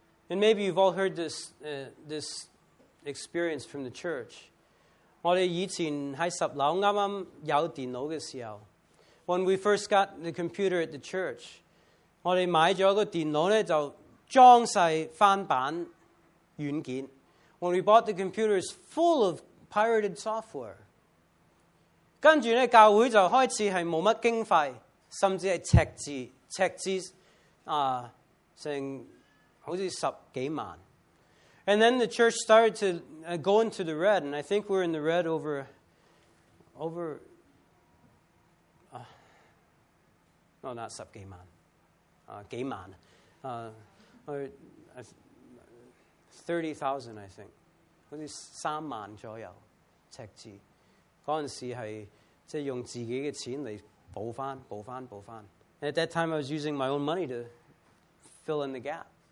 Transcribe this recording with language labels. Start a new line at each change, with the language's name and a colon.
English: And maybe you've all heard this this experience from the church.
Chinese: 我们以前在十楼刚刚有电脑的时候,
English: when we first got the computer at the church,
Chinese: 我们买了个电脑呢,就装上翻版软件.
English: When we bought the computer, it's full of pirated software.
Chinese: 跟着呢,教会就开始是没什么经费, 甚至是赤字, 成好像十几万。
English: And then the church started to go into the red, and I think we're in the red over 30,000, I think.
Chinese: 30,000左右, 赤字. 那時是用自己的錢來補回。
English: At that time, I was using my own money to fill in the gap.